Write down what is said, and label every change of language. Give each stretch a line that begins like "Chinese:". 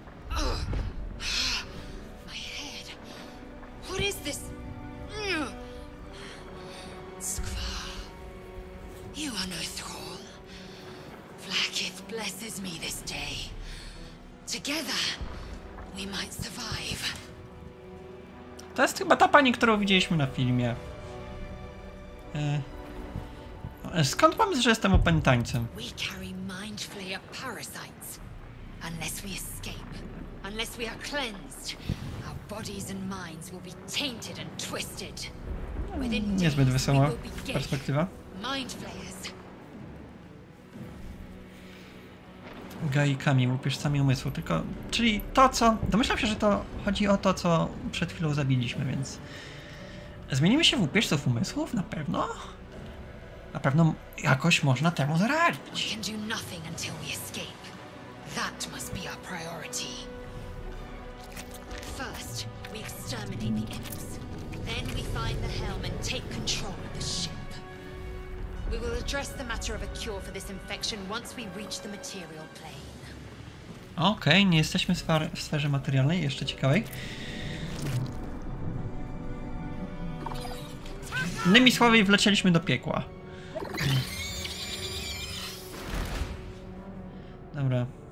English: Ugh. My head. What is this? Skvar. You are no thrall. Flakith blesses me this day. Together, we might survive.
Polish: To jest chyba ta pani, którą widzieliśmy na filmie. Skąd mam, że jestem opętańcem?
English: We carry mind flayer parasites. Unless we escape, unless we are cleansed, our bodies and minds will be tainted and twisted.
Polish: Niezbyt wesoła perspektywa.
English: Mind flayers.
Polish: Gaikami, łupiesz sami umysł, tylko... Czyli to co... Domyślam się, że to chodzi o to, co przed chwilą zabiliśmy, więc... Zmienimy się w łupieżców umysłów, na pewno? Na pewno jakoś można temu zaradzić.
English: We can do nothing until we escape. That must be our priority. First, we exterminate the imps. Then we find the helm and take control of the ship. We will address the matter of a cure for this infection once we reach the material plane.
Polish: Okej, nie jesteśmy w sferze materialnej, jeszcze ciekawej. Innymi słowy, wlecieliśmy do piekła. Dobra.